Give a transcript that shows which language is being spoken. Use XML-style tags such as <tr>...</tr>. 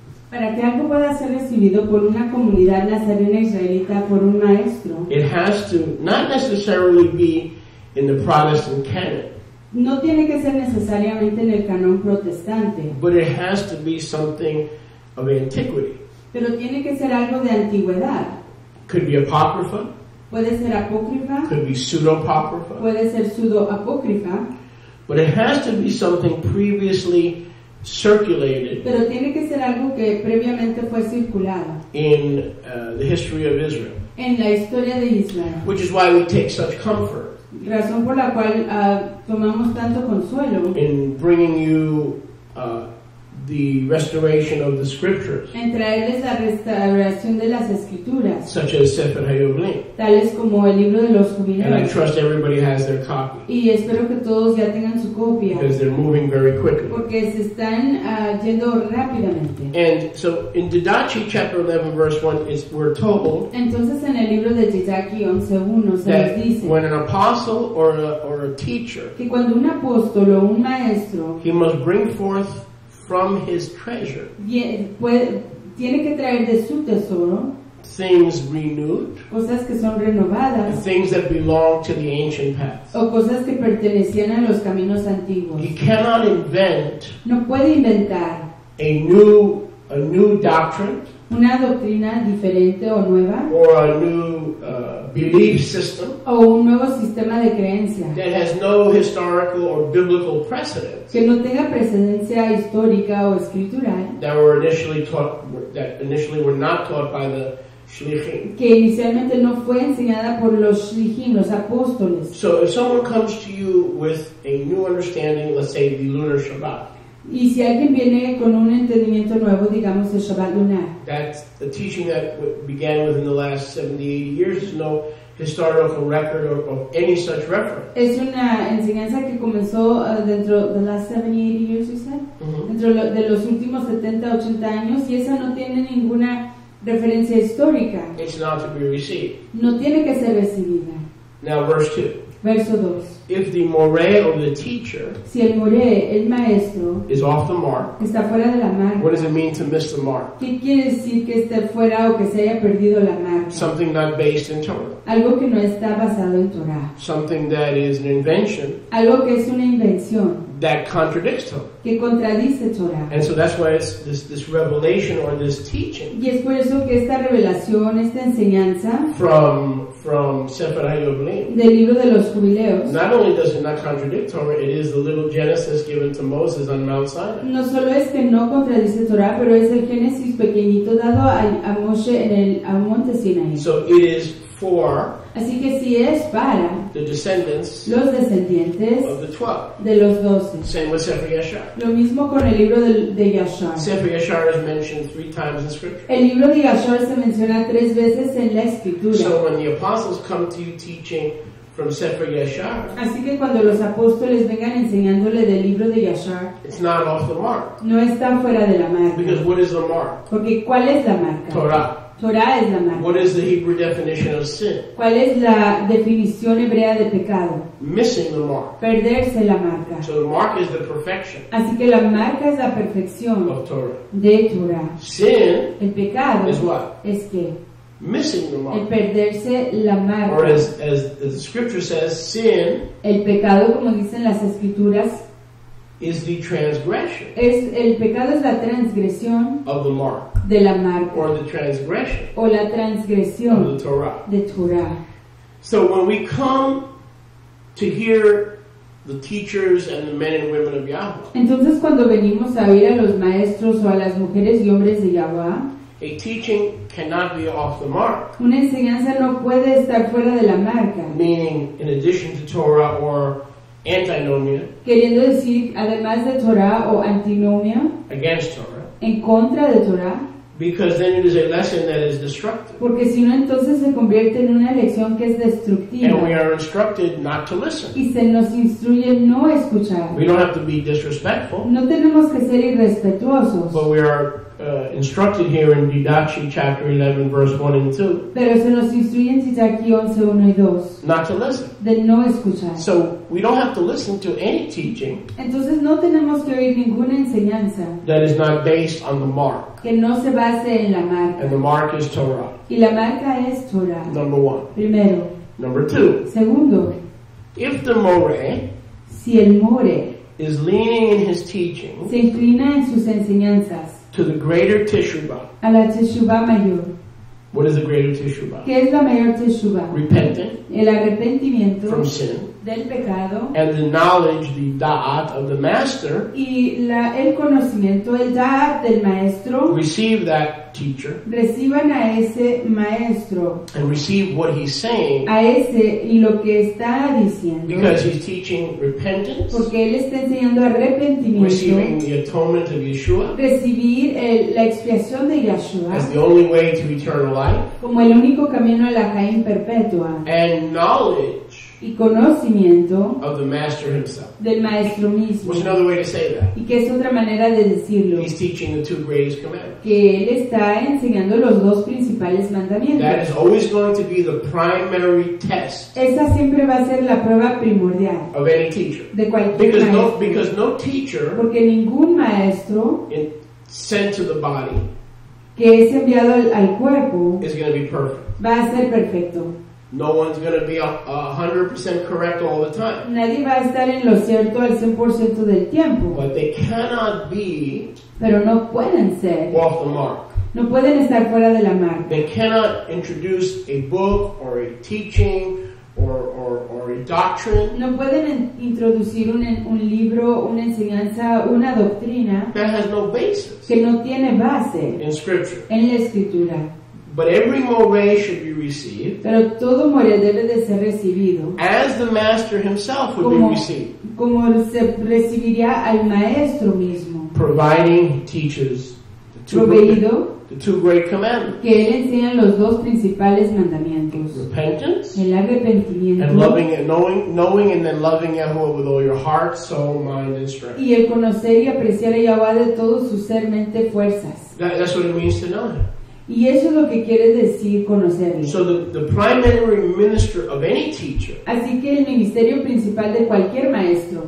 <es>Para que algo pueda ser recibido por una comunidad nazarena israelita por un maestro.</es> <en>It has to not necessarily be in the Protestant canon.</en> <es>No tiene que ser necesariamente en el canon protestante.</es> <en>But it has to be something of antiquity.</en> <es>Pero tiene que ser algo de antigüedad.</es> <en>Could be apocrypha.</en> <es>Puede ser apócrifa.</es> <en>Could be pseudo-apocrypha.</en> <es>Puede ser pseudo-apócrifa.</es> <en>But it has to be something previously circulated.</en> <es>Pero tiene que ser algo que previamente fue circulado.</es> <en>In the history of Israel.</en> <es>En la historia de Israel.</es> <en>Which is why we take such comfort.</en> <es>Razón por la cual tomamos tanto consuelo</es> <en>in bringing you the restoration of the scriptures,</en> <es>en traerles la restauración de las escrituras,</es> <en>such as Sefer HaYovelim,</en> <es>tales como el libro de los jubileos,</es> <en>and I trust everybody has their copy,</en> <es>y espero que todos ya tengan su copia,</es> <en>because they're moving very quickly,</en> <es>porque se están yendo rápidamente.</es> <en>And so in Didache chapter 11 verse 1 is we're told,</en> <es>entonces en el libro de Didache 11:1 se nos dice,</es> <en>when an apostle or a teacher,</en> <es>que cuando un apóstol o un maestro,</es> <en>he must bring forth from his treasure.</en> <es>Tiene que traer de su tesoro.</es> <en>Things renewed.</en> <es>Cosas que son renovadas.</es> <en>Things that belong to the ancient paths.</en> <es>O cosas que pertenecían a los caminos antiguos.</es> <en>He cannot invent.</en> <es>No puede inventar.</es> <en>A new doctrine.</en> <es>Una doctrina diferente o nueva.</es> <en>Or a new belief system.</en> <es>O un nuevo sistema de creencia.</es> <en>That has no historical or biblical precedent.</en> <es>Que no tenga precedencia histórica o escritural.</es> <en>That were initially taught. That initially were not taught by the</en> <es>que inicialmente no fue enseñada por los shlichim, los apóstoles.</es> <en>So if someone comes to you with a new understanding, let's say the lunar Shabbat.</en> <es>Y si alguien viene con un entendimiento nuevo, digamos el Shabbat lunar.</es> <en>That's the teaching that began within the last 70-80 years. There's no historical record of any such reference.</en> <es>Es una enseñanza que comenzó dentro de las 70-80</es> <en>years, you said? Mm-hmm.</en> <es>Dentro de los últimos 70-80 años, y esa no tiene ninguna referencia histórica.</es> <en>It's not to be received.</en> <es>No tiene que ser recibida.</es> <en>Now verse 2.</en> <es>Verso 2.</es> <en>If the moré or the teacher,</en> <es>si el moré, el maestro,</es> <en>is off the mark,</en> <es>está fuera de la marca.</es> <en>What does it mean to miss the mark?</en> <es>¿Qué quiere decir que esté fuera o que se haya perdido la marca?</es> <en>Something not based in Torah.</en> <es>Algo que no está basado en Torah.</es> <en>Something that is an invention.</en> <es>Algo que es una invención.</es> <en>That contradicts Torah.</en> <es>Que contradice Torah.</es> <en>And so that's why it's this revelation or this teaching.</en> <es>Y es por eso que esta revelación, esta enseñanza,</es> <en>from Sefer HaYovelim,</en> <es>del libro de los jubileos,</es> <en>not only does it not contradict Torah, it is the little Genesis given to Moses on Mount Sinai.</en> <es>No solo es que no contradice Torah, pero es el Génesis pequeñito dado a Moshe en el a Monte Sinai.</es> <en>So it is for,</en> <es>así que si es para,</es> <en>the descendants,</en> <es>los descendientes</es> <en>of the 12,</en> <es>de los 12.</es> <en>Same with Sefer Yashar.</en> <es>Lo mismo con el libro de Yashar.</es> <en>Sefer Yashar is mentioned 3 times in Scripture.</en> <es>El libro de Yashar se menciona 3 veces en la Escritura.</es> <en>So when the apostles come to you teaching from Sefer Yashar,</en> <es>así que cuando los apóstoles vengan enseñándole del libro de Yashar,</es> <en>it's not off the mark.</en> <es>No está fuera de la marca.</es> <en>Because what is the mark?</en> <es>Porque ¿cuál es la marca?</es> <en>Torah.</en> <es>Torah es la marca.</es> <en>What is the Hebrew definition of sin?</en> <es>¿Cuál es la definición hebrea de pecado?</es> <en>Missing the mark.</en> <es>Perderse la marca.</es> <en>So the mark is the perfection.</en> <es>Así que la marca es la perfección</es> <en>of Torah.</en> <es>De Torah.</es> <en>Sin,</en> <es>el pecado,</es> <en>is what?</en> <es>Es que</es> <en>missing the mark.</en> <es>El perderse la marca.</es> <en>Or as the scripture says, sin,</en> <es>el pecado, como dicen las escrituras,</es> <en>is the transgression.</en> <es>Es el pecado es la transgresión</es> <en>of the mark.</en> <es>De la marca.</es> <en>Or the transgression.</en> <es>O la transgresión.</es> <en>Of the Torah.</en> <es>De Torah.</es> <en>So when we come to hear the teachers and the men and women of Yahweh.</en> <es>Entonces cuando venimos a oír a los maestros o a las mujeres y hombres de Yahweh.</es> <en>A teaching cannot be off the mark.</en> <es>Una enseñanza no puede estar fuera de la marca.</es> <en>Meaning in addition to Torah or antinomia.</en> <es>Queriendo decir además de Torah o antinomia.</es> <en>Against Torah.</en> <es>En contra de Torah.</es> <en>Because then it is a lesson that is destructive.</en> <es>Porque si no, entonces se convierte en una lección que es destructiva.</es> <en>And we are instructed not to listen.</en> <es>Y se nos instruye no escuchar.</es> <en>We don't have to be disrespectful.</en> <es>No tenemos que ser irrespetuosos.</es> <en>But we are instructed here in Didache chapter 11 verse 1 and 2.</en> <es>Pero se nos instruye en Didache 11, 1 y 2.</es> <en>Not to listen.</en> <es>De no escuchar.</es> <en>So we don't have to listen to any teaching.</en> <es>Entonces no tenemos que oír ninguna enseñanza.</es> <en>That is not based on the mark.</en> <es>Que no se base en la marca.</es> <en>And the mark is Torah.</en> <es>Y la marca es Torah.</es> <en>Number one.</en> <es>Primero.</es> <en>Number two.</en> <es>Segundo.</es> <en>If the more,</en> <es>si el more,</es> <en>is leaning in his teaching,</en> <es>se inclina en sus enseñanzas,</es> <en>to the greater Teshuvah.</en> <es>A la Teshuvah mayor.</es> <en>What is the greater Teshuvah?</en> <es>¿Qué es la mayor Teshuvah?</es> <en>Repenting.</en> <es>El arrepentimiento.</es> <en>From sin.</en> <es>Del pecado.</es> <en>And the knowledge, the da'at of the master.</en> <es>Y la, el conocimiento, el da'at del maestro.</es> <en>Receive that teacher.</en> <es>Reciban a ese maestro.</es> <en>And receive what he's saying.</en> <es>A ese y lo que está diciendo.</es> <en>Because he's teaching repentance.</en> <es>Porque él está enseñando arrepentimiento.</es> <en>Receiving the atonement of Yeshua.</en> <es>Recibir el, la expiación de Yeshua.</es> <en>As the only way to eternal life.</en> <es>Como el único camino a la Jaim perpetua.</es> <en>And knowledge.</en> <es>y conocimiento</es> <en>of the master himself.</en> <es>Del maestro mismo.</es> <en>Which is another way to say that.</en> <es>Y que es otra manera de decirlo.</es> <en>He's teaching the two greatest commandments.</en> <es>Que él está enseñando los dos principales mandamientos.</es> <en>That is always going to be the primary test.</en> <es>Esa siempre va a ser la prueba primordial.</es> <en>Of any teacher.</en> <es>De cualquier</es> <en>because</en> <es>maestro.</es> <en>Because no teacher.</en> <es>Porque ningún maestro.</es> <en>Sent to the body.</en> <es>Que es enviado al cuerpo.</es> <en>Is going to be perfect.</en> <es>Va a ser perfecto.</es> <en>No one's going to be 100% correct all the time.</en> <es>Nadie va a estar en lo cierto al 100% del tiempo.</es> <en>But they cannot be.</en> <es>Pero no pueden ser.</es> <en>Off the mark.</en> <es>No pueden estar fuera de la marca.</es> <en>They cannot introduce a book or a teaching or a doctrine.</en> <es>No pueden introducir un libro, una enseñanza, una doctrina.</es> <en>That has no basis.</en> <es>Que no tiene base.</es> <en>In scripture.</en> <es>En la escritura.</es> <en>But every more should be received.</en> <es>Pero todo more debe de ser recibido.</es> <en>As the master himself would</en> <es>como,</es> <en>be received.</en> <es>Como se recibiría al maestro mismo.</es> <en>Providing he teaches the two great commandments.</en> <es>Que él enseña los dos principales mandamientos.</es> <en>Repentance.</en> <es>El arrepentimiento.</es> <en>And loving and knowing and then loving Yahweh with all your heart, soul, mind, and strength.</en> <es>Y el conocer y apreciar a Yahweh de todo su ser, mente, fuerzas.</es> <en>That's what it means to know him.</en> <es>Y eso es lo que quiere decir conocerle.</es> <en>So the primary minister of any teacher.</en> <es>Así que el ministerio principal de cualquier maestro.</es>